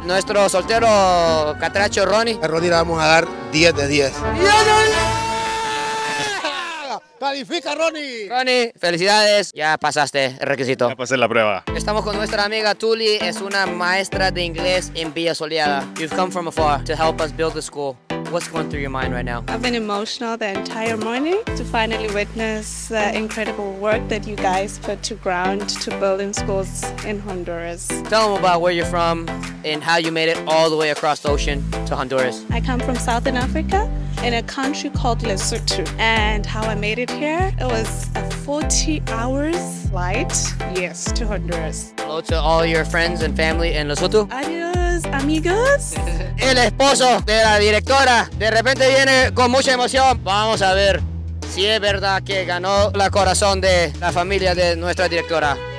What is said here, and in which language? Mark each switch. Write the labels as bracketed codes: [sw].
[es] Nuestro soltero catracho Ronnie. A Ronnie le vamos a dar 10 de 10. ¡Califica, Ronnie! Ronnie, felicidades. Ya pasaste el requisito. Ya pasé la prueba. Estamos con nuestra amiga Tuli. Es una maestra de inglés en Villa Soleada. [en] You've come from afar to help us build the school. What's going through your mind right now? I've been emotional the entire morning to finally witness the incredible work that you guys put to ground to building schools in Honduras. Tell them about where you're from and how you made it all the way across the ocean to Honduras. I come from Southern Africa in a country called Lesotho. And how I made it here, it was a 40 hours flight, yes, to Honduras. Hello to all your friends and family in Lesotho. [es] Adios, amigos. El esposo de la directora de repente viene con mucha emoción. Vamos a ver si es verdad que ganó el corazón de la familia de nuestra directora.